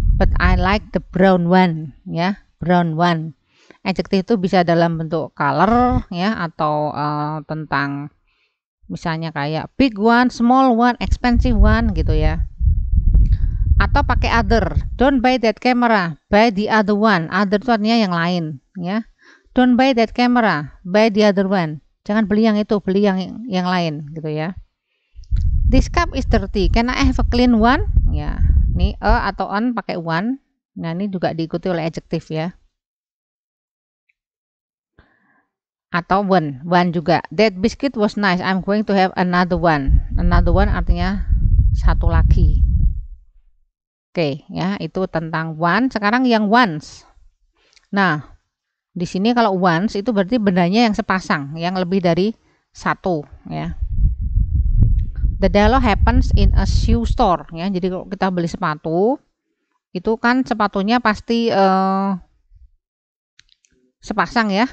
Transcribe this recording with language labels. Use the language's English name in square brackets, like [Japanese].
[English] But I like the brown one, ya, brown one. [Indonesian] Adjective itu bisa dalam bentuk color, ya, atau tentang misalnya kayak big one, small one, expensive one, gitu ya. Atau pakai other. [English] Don't buy that camera, buy the other one. [Indonesian] Other itu artinya yang lain, ya. [English] Don't buy that camera, buy the other one. [Indonesian] Jangan beli yang itu, beli yang lain, gitu ya. [English] This cup is dirty. Can I have a clean one? [Indonesian] Ya. Ini a atau on pakai one. Nah, ini juga diikuti oleh adjective ya. Atau one. One juga. [English] That biscuit was nice. I'm going to have another one. [Indonesian] Another one artinya satu lagi. Oke, ya, itu tentang one. Sekarang yang once. Nah, di sini kalau once itu berarti bendanya yang sepasang, yang lebih dari satu, ya. [English] The dialogue happens in a shoe store, [Indonesian] ya. Jadi kalau kita beli sepatu, itu kan sepatunya pasti sepasang, ya.